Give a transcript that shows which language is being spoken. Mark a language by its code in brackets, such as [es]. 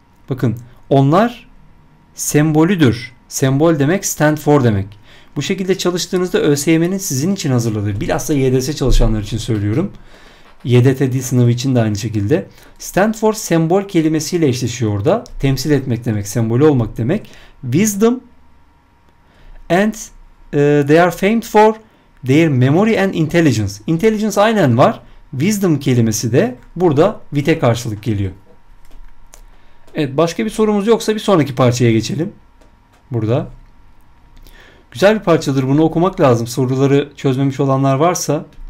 [tr] Bakın onlar sembolüdür. Sembol demek Stand for demek. Bu şekilde çalıştığınızda ÖSYM'nin sizin için hazırladığı, bilhassa YDS çalışanlar için söylüyorum. YDT dil sınavı için de aynı şekilde. Stand for sembol kelimesiyle eşleşiyor orada. Temsil etmek demek, sembolü olmak demek. [en] Wisdom and they are famed for their memory and intelligence. [tr] Intelligence aynen var. Wisdom kelimesi de burada wit'e karşılık geliyor. Evet, başka bir sorumuz yoksa bir sonraki parçaya geçelim. Burada. Güzel bir parçadır, bunu okumak lazım. Soruları çözmemiş olanlar varsa.